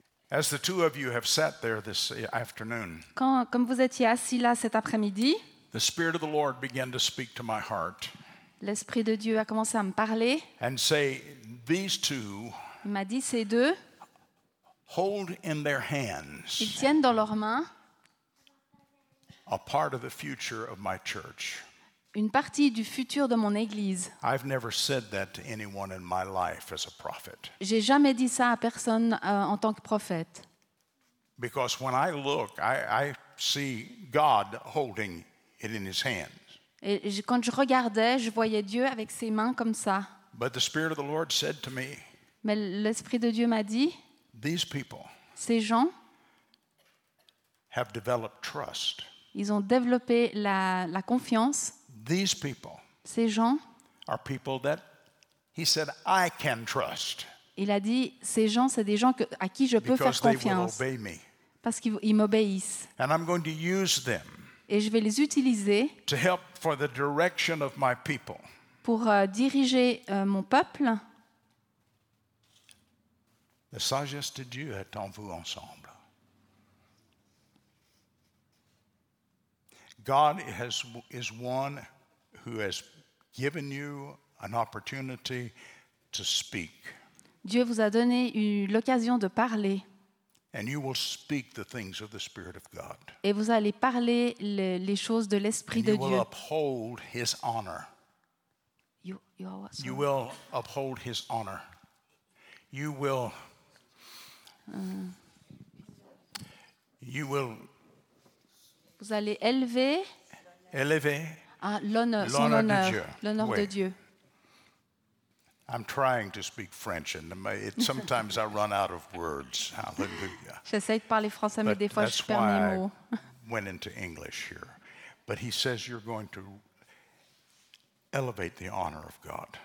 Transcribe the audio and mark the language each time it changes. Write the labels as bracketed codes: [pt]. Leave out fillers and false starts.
[en] As the two of you have sat there this afternoon. [fr] Comme vous étiez assis là cet après-midi. [en] The Spirit of the Lord began to speak to my heart. [fr] L'Esprit de Dieu a commencé à me parler. [en] And say, these two. [fr] Il m'a dit ces deux. [en] Hold in their hands. [fr] Ils tiennent dans leurs mains. [en] A part of the future of my church. [fr] Une partie du futur de mon église. [en] I've never said that to anyone in my life as a prophet. [fr] J'ai jamais dit ça à personne en tant que prophète. [en] Because when I look, I see God holding it in His hands. [fr] Et quand je regardais, je voyais Dieu avec ses mains comme ça. [en] But the Spirit of the Lord said to me, [fr] mais l'Esprit de Dieu m'a dit, [en] these people, [fr] ces gens, [en] have developed trust. [fr] Ils ont développé la confiance. [en] These people, [fr] ces gens, [en] are people that he said I can trust. [fr] Il a dit, ces gens, c'est des gens à qui je peux faire confiance. [en] They will obey me. [fr] Parce qu'ils m'obéissent. [en] And I'm going to use them. [fr] Et je vais les utiliser pour diriger mon peuple. La sagesse de Dieu est en vous ensemble. [en] God is one who has given you an opportunity to speak. [fr] Dieu vous a donné l'occasion de parler. [en] And you will speak the things of the Spirit of God. [fr] Et vous allez parler les choses de l'Esprit de Dieu. [en] You will uphold His honor. You will uphold His honor. You will. You will. [fr] Vous allez élever. Élever. L'honneur de Dieu. [en] I'm trying to speak French, and sometimes I run out of words. Hallelujah. [fr] J'essaie de parler français, mais des fois je perds mes mots. [en] Went into English here, but he says you're going to elevate the honor of God.